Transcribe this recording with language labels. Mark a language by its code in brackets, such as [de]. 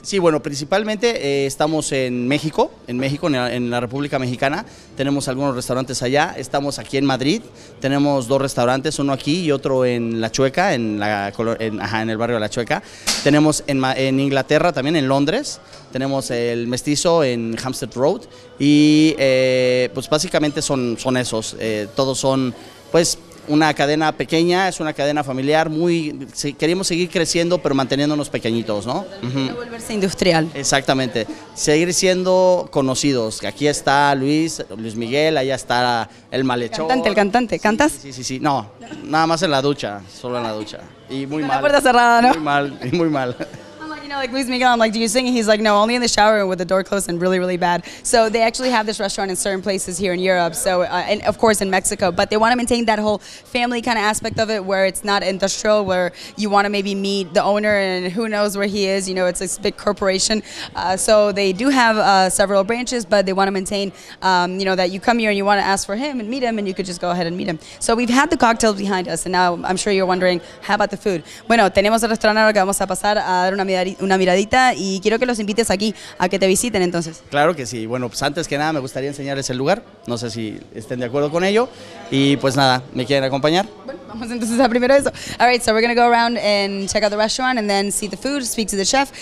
[es] Sí, bueno, principalmente estamos en México, en la República Mexicana, tenemos algunos restaurantes allá, estamos aquí en Madrid, tenemos dos restaurantes, uno aquí y otro en La Chueca, en el barrio de La Chueca, tenemos en Inglaterra también, en Londres, tenemos el Mestizo en Hampstead Road y pues básicamente son esos, todos son pues una cadena pequeña, es una cadena familiar, queríamos seguir creciendo pero manteniéndonos pequeñitos, ¿no? Uh-huh. Volverse industrial. Exactamente, seguir siendo conocidos, aquí está Luis Miguel, allá está el Malhechor. El cantante, ¿cantas? Sí, no, nada más en la ducha, solo en la ducha y muy mal. La puerta cerrada, ¿no? Muy mal. [en] Like Luis Miguel, I'm like, do you sing? He's like, no, only in the shower with the door closed and really, really bad. So they actually have this restaurant in certain places here in Europe, so and of course in Mexico, but they want to maintain that whole family kind of aspect of it where it's not industrial, where you want to maybe meet the owner and who knows where he is, you know, it's a big corporation. So they do have several branches, but they want to maintain, you know, that you come here and you want to ask for him and meet him and you could just go ahead and meet him. So we've had the cocktails behind us and now I'm sure you're wondering, how about the food? [es] Bueno, tenemos el restaurante ahora que vamos a pasar a dar una miradita y quiero que los invites aquí a que te visiten entonces. Claro que sí. Bueno, pues antes que nada me gustaría enseñarles el lugar. No sé si estén de acuerdo con ello. Y pues nada, ¿me quieren acompañar? Bueno, vamos entonces a primero eso. [en] All right, so we're going to go around and check out the restaurant and then see the food, speak to the chef.